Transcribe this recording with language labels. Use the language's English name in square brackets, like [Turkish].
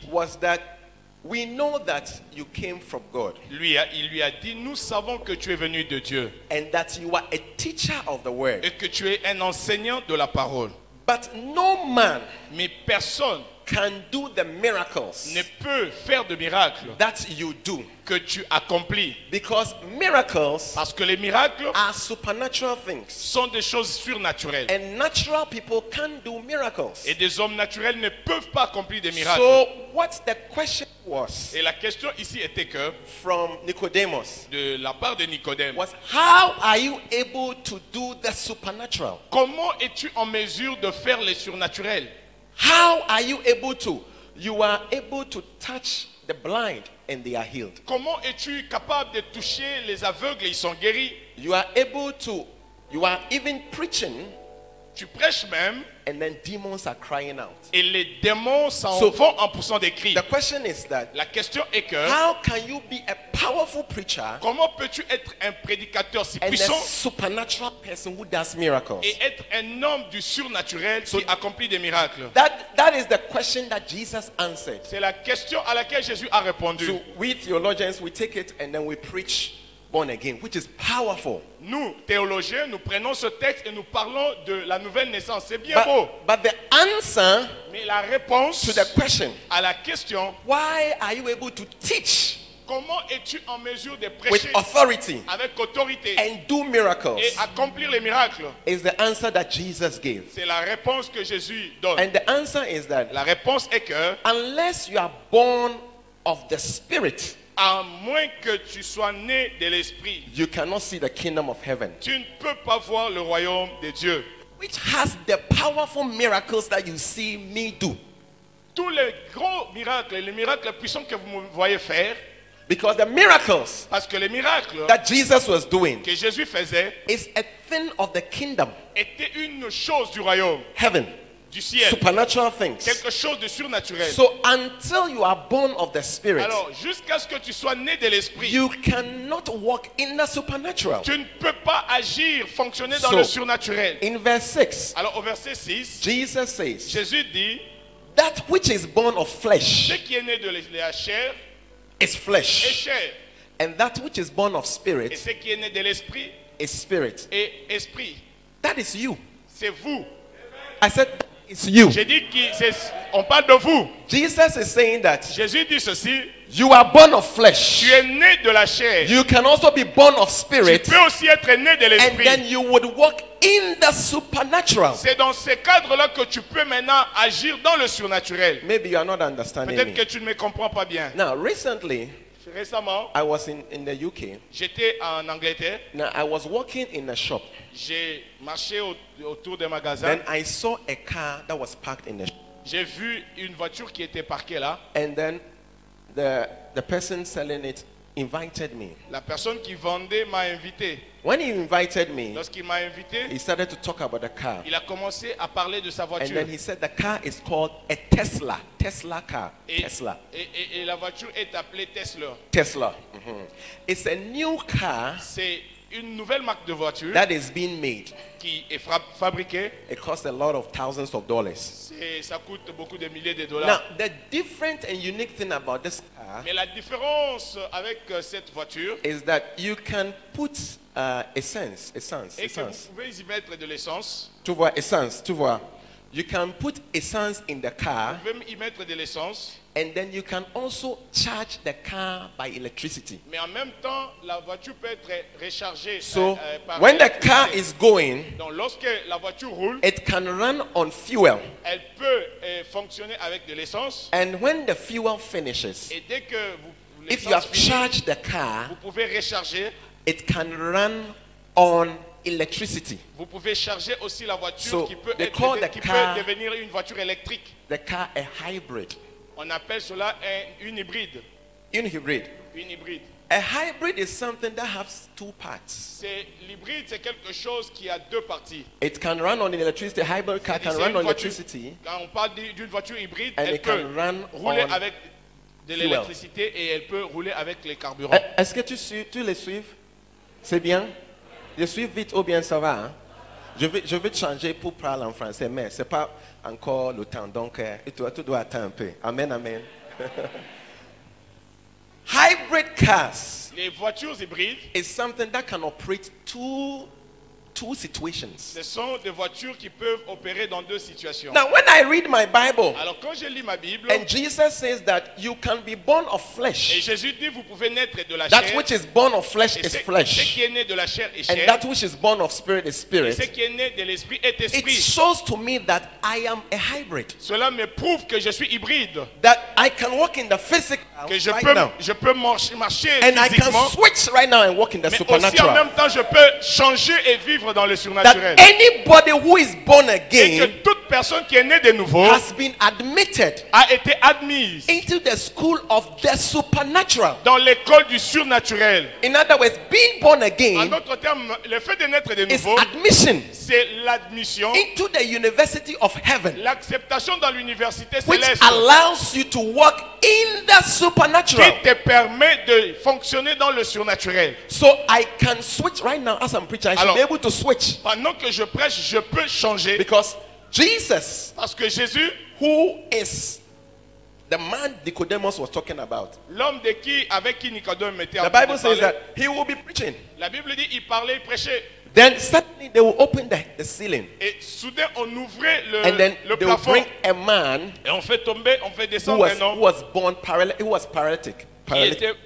[English] was that we know that you came from God. [French] Il lui a dit, nous savons que tu es venu de Dieu. [English] And that you are a teacher of the word. [French] Et que tu es un enseignant de la parole. [English] But no man, [French] mais personne, [English] can do the miracles. [French] Ne peut faire de miracles. [English] That you do. [French] Que tu accomplis. [English] Because miracles, [French] parce que les miracles, [English] are supernatural things. [French] Sont des choses surnaturelles. [English] And natural people can do miracles. [French] Et des hommes naturels ne peuvent pas accomplir des miracles. [English] So what the question? [French] Et la question ici était que [English] from Nicodemus, [French] de la part de Nicodème, [English] was how are you able to do the supernatural? [French] Comment es-tu en mesure de faire le surnaturel? [English] How are you able to? You are able to touch the blind and they are healed. [French] Comment es-tu capable de toucher les aveugles et ils sont guéris? [English] You are even preaching. [French] Tu prêches même. [English] And then demons are crying out. [French] Et les démons s'en vont en poussant des cris. [English] The question is that, [French] la question est que [English] how can you be a powerful preacher, [French] comment peux-tu être un prédicateur si [English] and [French] puissant [English] a supernatural person who does miracles? [French] Et être un homme du surnaturel qui accomplit des miracles. [English] That is the question that Jesus answered. [French] C'est la question à laquelle Jésus a répondu. [English] So we theologians, we take it and then we preach. Born again, which is powerful. [French] Nous, théologiens, nous prenons ce texte et nous parlons de la nouvelle naissance. C'est bien beau. [English] But the answer, [French] mais la réponse [English] to the question, [French] à la question, [English] why are you able to teach? [French] Comment es-tu en mesure de prêcher [English] with authority [French] avec autorité [English] and do miracles, [French] et accomplir les miracles? [English] Is the answer that Jesus gave. [French] C'est la réponse que Jésus donne. [English] And the answer is that [French] la réponse est que [English] unless you are born of the Spirit. [French] À moins que tu sois né de l'esprit, [English] you cannot see the kingdom of heaven. [French] Tu ne peux pas voir le royaume de Dieu. [English] Which has the powerful miracles that you see me do. [French] Tous les gros miracles, les miracles puissants que vous me voyez faire, [English] because the miracles, [French] parce que les miracles [English] that Jesus was doing, [French] que Jésus faisait, [English] is a thing of the kingdom. [French] Était une chose du royaume. [English] Heaven. [French] du ciel. [English] Supernatural things. [French] Quelque chose de surnaturel. [English] So until you are born of the Spirit, [French] alors jusqu'à ce que tu sois né de l'Esprit, [English] you cannot walk in the supernatural. [French] Tu ne peux pas agir, fonctionner dans le surnaturel. [English] In verse 6, [French] alors au verset 6, [English] Jesus says, [French] Jésus dit, [English] that which is born of flesh, [French] ce qui est né de la chair, [English] is flesh. [French] Est chair. [English] And that which is born of spirit, [French] et ce qui est né de l'Esprit, [English] is spirit. [French] Et esprit. [English] That is you. [French] C'est vous. [English] I said, it's you. [French] J'ai dit qu'on parle de vous. [English] Jesus is saying that. [French] Jésus dit ceci. [English] You are born of flesh. [French] Tu es né de la chair. [English] You can also be born of spirit. [French] Tu peux aussi être né de l'esprit. [English] And then you would walk in the supernatural. [French] C'est dans ce cadre-là que tu peux maintenant agir dans le surnaturel. [English] Maybe you are not understanding. [French] Peut-être [English] me. [French] Que tu ne me comprends pas bien. [English] Now, recently. [French] Récemment, [English] I was in the UK. [French] J'étais en Angleterre. [English] Now I was walking in a shop. [French] J'ai marché autour des magasins. [English] Then I saw a car that was parked in the shop. [French] J'ai vu une voiture qui était parquée là. [English] And then the person selling it invited me. [French] La personne qui vendait m'a invité. [English] When he invited me, [French] lorsqu'il m'a invité, [English] he started to talk about the car. [French] Il a commencé à parler de sa voiture. [English] And then he said the car is called a Tesla. Tesla car. [French] Et, Tesla. Et la voiture est appelée Tesla. [English] Tesla. Mm-hmm. It's a new car. [French] C'est une nouvelle marque de voiture. [English] That is being made. [French] Qui est fabriquée. [English] It costs a lot of thousands of dollars. [French] Ça coûte beaucoup de milliers de dollars. [English] Now, the different and unique thing about this car. [French] Mais la différence avec cette voiture. [English] Is that you can put essence. [French] Et que vous pouvez y mettre de l'essence. Tu vois, essence, tu vois. [English] You can put essence in the car. [French] Vous pouvez y mettre de l'essence. [English] And then you can also charge the car by electricity. [French] Mais en même temps, la voiture peut être rechargée. [English] So, when the car is going, [French] donc lorsque la voiture roule, [English] it can run on fuel. [French] Elle peut fonctionner avec de l'essence. [English] And when the fuel finishes, [French] et dès que vous, [English] if you have charged the car, [French] vous pouvez recharger. [English] It can run on electricity. [French] Vous pouvez charger aussi la voiture [English] so [French] qui peut être peut devenir une voiture électrique. [English] The car a hybrid. [French] On appelle cela une hybride. Une hybride. Une hybride. [English] A hybrid is something that has two parts. [French] C'est l'hybride, c'est quelque chose qui a deux parties. [English] It can run on electricity. A hybrid car can run on electricity. [French] Quand on parle d'une voiture hybride, [English] and [French] elle peut [English] run [French] rouler [English] on [French] avec de l'électricité et elle peut rouler avec les carburants. Est-ce que tu les suives? C'est bien. Je suis vite ou bien ça va. Hein? Je veux changer pour parler en français, mais ce n'est pas encore le temps. Donc, tu dois attendre un peu. Amen, amen. [English] Hybrid cars. [French] Les voitures hybrides. [English] Is something that can operate two situations. [French] Ce sont des voitures qui peuvent opérer dans deux situations. [English] Now, when I read my Bible, [French] alors quand je lis ma Bible, [English] and Jesus says that you can be born of flesh. [French] Et Jésus dit vous pouvez naître de la chair. [English] That which is born of flesh is flesh. [French] Ce qui est né de la chair est chair. [English] And that which is born of spirit is spirit. [French] Ce qui est né de l'esprit est esprit. [English] It shows to me that I am a hybrid. [French] Cela me prouve que je suis hybride. [English] That I can walk in the physical. [French] Que je [English] right [French] peux [English] now. [French] Je peux marcher [English] and [French] physiquement. [English] And I can switch right now and walk in the [French] mais [English] supernatural. [French] Aussi en même temps je peux changer et vivre dans le surnaturel. [English] That anybody who is born again [French] et que toute personne qui est née de nouveau [English] has been admitted [French] a été admise [English] into the school of the supernatural. [French] Dans l'école du surnaturel. [English] In other words, being born again, [French] en d'autres termes, le fait de naître de nouveau [English] is admission, [French] c'est l'admission [English] into the university of heaven, [French] l'acceptation dans l'université [English] which [French] céleste [English] allows you to walk in the supernatural, [French] qui te permet de fonctionner dans le surnaturel. [English] So I can switch right now as I'm preaching. I should [French] alors, [English] be able to switch. [French] Pendant que je prêche, je peux changer. [English] Because Jesus, [French] parce que Jésus, [English] who is the man Nicodemus was talking about, [French] l'homme de qui avec qui Nicodème était en train de parler, [English] the Bible says that he will be preaching. [French] La Bible dit il parlait, il prêchait. [English] Then suddenly they will open the ceiling. [French] Et soudain on ouvrait le plafond. [English] And then they will bring a man. [French] Et on fait tomber, on fait descendre un homme. [English] Who was born paralytic? He was paralytic.